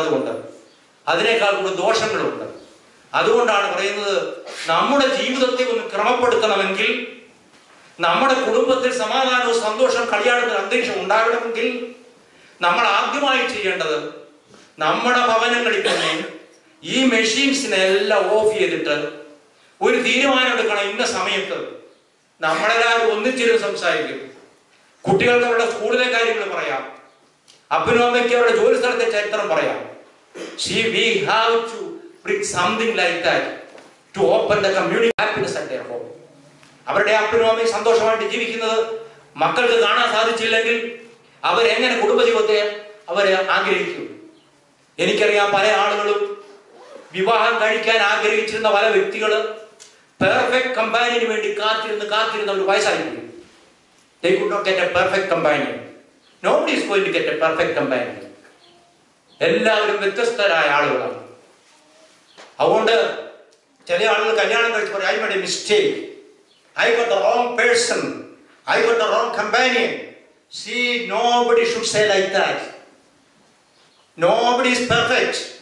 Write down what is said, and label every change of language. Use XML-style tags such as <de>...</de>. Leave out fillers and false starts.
<ml>അതുകൊണ്ട് അതിനേക്കാൾ കൂടുതൽ ദോഷങ്ങളുണ്ട്. അതുകൊണ്ടാണ് പറയുന്നത്, നമ്മുടെ ജീവിതത്തെ ഒന്ന് ക്രമപ്പെടുത്തണമെങ്കിൽ, നമ്മുടെ കുടുംബത്തിൽ സമാധാനവും സന്തോഷവും കളിയാടുന്ന അന്തരീക്ഷം ഉണ്ടാകണമെങ്കിൽ, നമ്മൾ ആദ്യമായി ചെയ്യേണ്ടത് നമ്മുടെ ഭവനങ്ങളിൽ തന്നെ ഈ മെഷീൻസിനെ എല്ലാം ഓഫ് ചെയ്തിട്ട് ഒരു തീരുമാനമെടുക്കണം. ഇന്ന സമയത്ത് നമ്മളെല്ലാവരും ഒന്നിച്ചിരുന്ന് സംസാരിക്കും, കുട്ടികൾക്ക് അവരുടെ സ്കൂളിലെ കാര്യങ്ങൾ പറയാം, അപ്പനും അമ്മയ്ക്ക് അവരുടെ ജോലി സ്ഥലത്തെ ചരിത്രം പറയാം.</ml> <en>See, we have to bring something like that to open the community happiness at their home.</en> <ml>അവരുടെ അപ്പനും അമ്മയും സന്തോഷമായിട്ട് ജീവിക്കുന്നത് മക്കൾക്ക് കാണാൻ സാധിച്ചില്ലെങ്കിൽ അവരെങ്ങനെ കുടുംബജീവിതത്തെ അവർ ആഗ്രഹിക്കും? എനിക്കറിയാം പല ആളുകളും വിവാഹം കഴിക്കാൻ ആഗ്രഹിച്ചിരുന്ന പല വ്യക്തികൾ പെർഫെക്റ്റ് കമ്പാനിയന് വേണ്ടി കാത്തിരുന്ന് കാത്തിരുന്ന് അവർ വയസ്സായിരിക്കും.</ml> <en>They could not get a perfect companion. Nobody is going to get a perfect companion.</en> <ml>എല്ലാവരും വ്യത്യസ്തരായ ആളുകളാണ്. അതുകൊണ്ട് ചില ആളുകൾ കല്യാണം കഴിച്ച് പറയും,</ml> <en>I made a mistake, I got the wrong person, I got the wrong companion. See nobody should say like that. Nobody is perfect.</en>